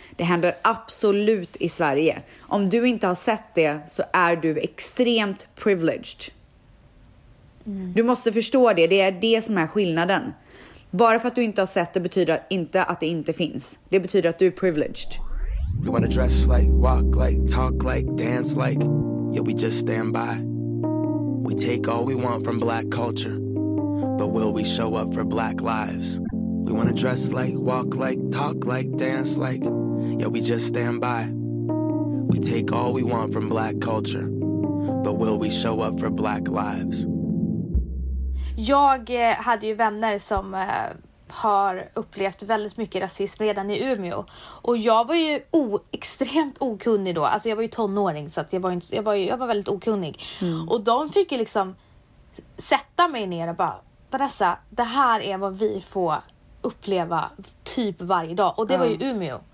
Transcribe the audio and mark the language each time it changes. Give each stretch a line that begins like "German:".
Swedish: Det händer absolut i Sverige. Om du inte har sett det, så är du extremt privileged. Du måste förstå det. Det är det som är skillnaden. Bara för att du inte har sett det betyder inte att det inte finns. Det betyder att du är privileged.
English: You wanna dress like, walk like, talk like, dance like. Yeah, we just stand by. We take all we want from black culture. But will we show up for black lives? We wanna dress like, walk like, talk like, dance like. Yeah, we just stand by. We take all we want from black culture. But will we show up for black lives?
Swedish: Jag hade ju vänner som har upplevt väldigt mycket rasism redan i Umeå. Och jag var ju extremt okunnig då. Alltså jag var ju tonåring, så att jag var väldigt okunnig. Mm. Och de fick ju liksom sätta mig ner och bara, Vanessa, det här är vad vi får uppleva typ varje dag. Och det var ju Umeå.